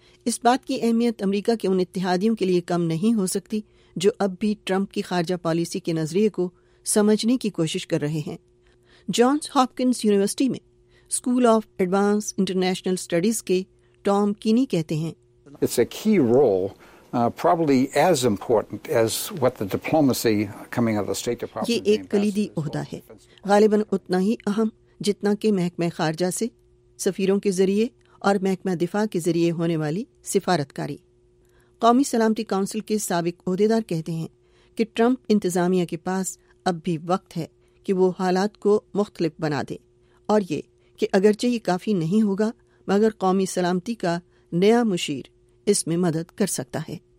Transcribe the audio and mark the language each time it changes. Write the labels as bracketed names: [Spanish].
[Urdu] اس بات کی اہمیت امریکہ کے ان اتحادیوں کے لیے کم نہیں ہو سکتی جو اب بھی ٹرمپ کی خارجہ پالیسی کے نظریے کو سمجھنے کی کوشش کر رہے ہیں. جانس ہاپکنز یونیورسٹی میں school of advance international studies کے ٹام کینی کہتے ہیں, [English] It's a key role, probably as important as what the diplomacy coming out of the State Department. [Urdu] یہ ایک کلیدی عہدہ ہے, غالباً اتنا ہی اہم جتنا کہ محکمہ خارجہ سے سفیروں کے ذریعے اور محکمہ دفاع کے ذریعے ہونے والی سفارتکاری. قومی سلامتی کونسل کے سابق عہدیدار کہتے ہیں کہ ٹرمپ انتظامیہ کے پاس اب بھی وقت ہے کہ وہ حالات کو مختلف بنا دے, اور یہ کہ اگرچہ یہ کافی نہیں ہوگا مگر قومی سلامتی کا نیا مشیر اس میں مدد کر سکتا ہے.